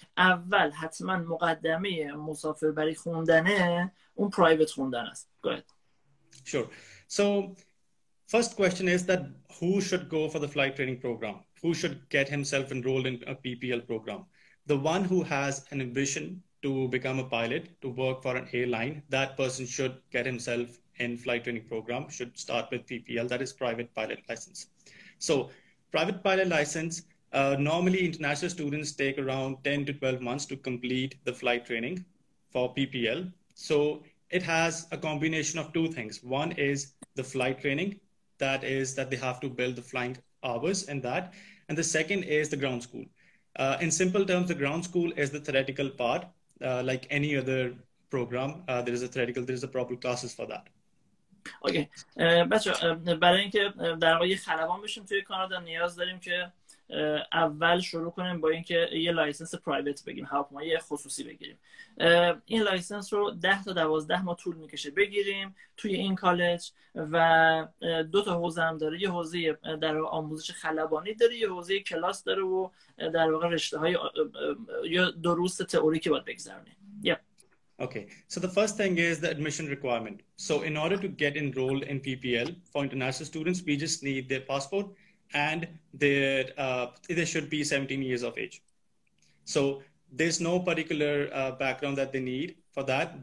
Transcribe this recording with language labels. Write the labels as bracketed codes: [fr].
[fa] اول حتما مقدمه مسافربری خوندنه اون پرایوت خوندن است. [en] Go ahead. Sure. So first question is that who should go for the flight training program? Who should get himself enrolled in a PPL program? The one who has an ambition to become a pilot, to work for an airline, that person should get himself in flight training program, should start with PPL, that is private pilot license. So private pilot license, normally international students take around 10 to 12 months to complete the flight training for PPL. So it has a combination of two things. One is the flight training, that is that they have to build the flying hours and that. And the second is the ground school. In simple terms, the ground school is the theoretical part. Like any other program, there is a theoretical, there is a proper classes for that. Okay. [fa] بچه برای اینکه در واقع خلبان بشیم توی کانادا نیاز داریم که اول شروع کنیم با اینکه یه لایسنس پرایوت بگیریم، هواپیمای خصوصی بگیریم. این لایسنس رو 10 تا 12 ماه طول میکشه بگیریم توی این کالج و دو تا حوزه هم داره، یه حوزه در آموزش خلبانی داره، یه حوزه کلاس داره و در واقع رشته های یا دروس تئوریکی باید بگذرونیم. [en] Yeah. Okay, so the first thing is the admission requirement. So in order to get enrolled in PPL for international students, we just need their passport and they should be 17 years of age. So there's no particular background that they need for that.